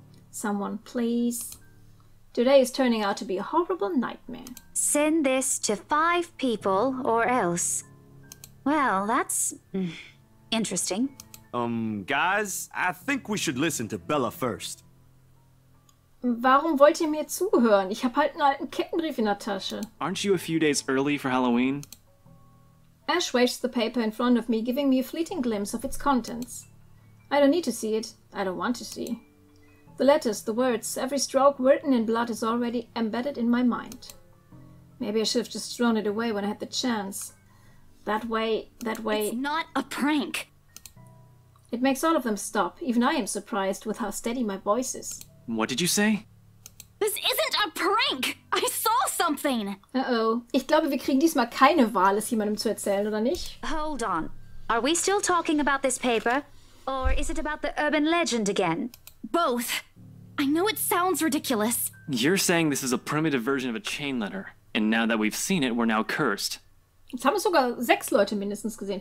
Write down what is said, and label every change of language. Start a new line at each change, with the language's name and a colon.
English: Someone, please. Today is turning out to be a horrible nightmare. Send this to 5 people or else... Well, that's... interesting. Guys, I think we should listen to Bella first.
German: Warum wollt ihr mir zuhören? Ich hab halt einen alten Kettenbrief in der Tasche.
English: Aren't you a few days early for Halloween? Ash waves the paper in front of me, giving me a fleeting glimpse of its contents. I don't need to see it. I don't want to see. The letters, the words, every stroke written in blood is already embedded in my mind. Maybe I should have just thrown it away when I had the chance. That way... It's not a prank! It makes all of them stop. Even I am surprised with how steady my voice is. What did you say? This isn't a prank! I saw something! Uh-oh.
German: Ich glaube, wir kriegen diesmal keine Wahl, es jemandem zu erzählen, oder nicht?
English: Hold on. Are we still talking about this paper? Or is it about the urban legend again? Both. I know it sounds ridiculous. You're saying this is a primitive version of a chain letter. And now that we've seen it, we're now cursed.
German: Jetzt haben es sogar sechs Leute mindestens gesehen.